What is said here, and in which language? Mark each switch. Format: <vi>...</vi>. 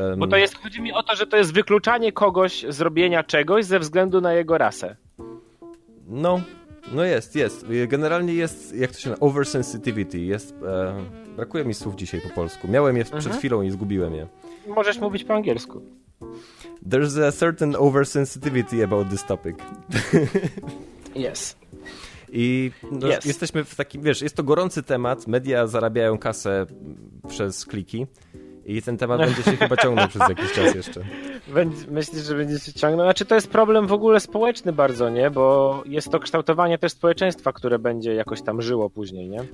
<pl>Bo to jest, chodzi mi o to, że to jest wykluczanie kogoś z robienia czegoś ze względu na jego rasę. No jest. Generalnie jest, jak to się nazywa, oversensitivity. Brakuje mi słów dzisiaj po polsku. Miałem je przed chwilą i zgubiłem je. Możesz mówić po angielsku.</pl> <en>There's a certain oversensitivity about this topic. Yes.</en> <pl>I no,</pl> <en>yes.</en> <pl>Jesteśmy w takim, wiesz, jest to gorący temat, media zarabiają kasę przez kliki i ten temat będzie się chyba ciągnął przez jakiś czas jeszcze. Myślisz, że będzie się ciągnął? Znaczy to jest problem w ogóle społeczny bardzo, nie? Bo jest to kształtowanie też społeczeństwa, które będzie jakoś tam żyło później, nie?</pl>